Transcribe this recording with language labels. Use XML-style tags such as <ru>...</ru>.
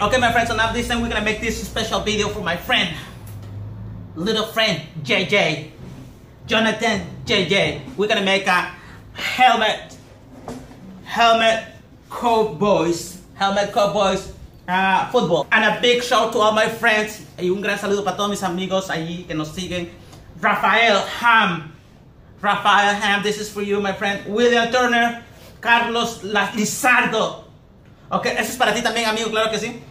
<en>Okay, my friends. So now this time we're gonna make this special video for my friend. Little friend, JJ. Jonathan, JJ. We're gonna make a helmet. Helmet Cowboys. Helmet Cowboys. Football. And a big shout to all my friends.</en> <es>Y un gran saludo para todos mis amigos allí que nos siguen.</es> <en>Rafael Ham. Rafael Ham, this is for you, my friend. William Turner. Carlos Lizardo.</en> <es>Okay, eso es para ti también, amigo, claro que sí.</es>